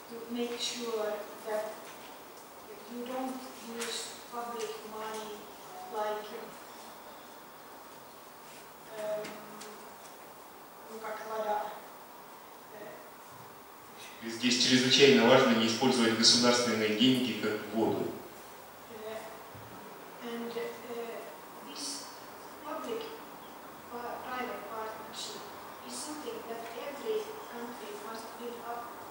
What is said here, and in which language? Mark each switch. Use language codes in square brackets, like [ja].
[en] Make sure that you don't use public money like [ru] как вода. Здесь чрезвычайно важно не использовать государственные деньги как воду. [en] And this public private partnership is something that every country must build up.